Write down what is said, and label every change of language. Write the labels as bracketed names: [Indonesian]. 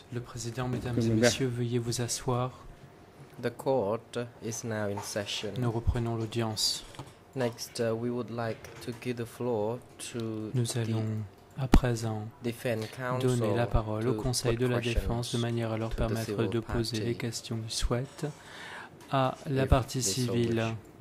[French] Le président, mesdames et messieurs, veuillez vous asseoir. [English] The court is now in session. [French] Nous reprenons l'audience. [English] Next, we would like to give the floor to [French] nous allons à présent donner la parole au Conseil de la Défense de manière à leur permettre de poser les questions qu'ils souhaitent à la partie civile.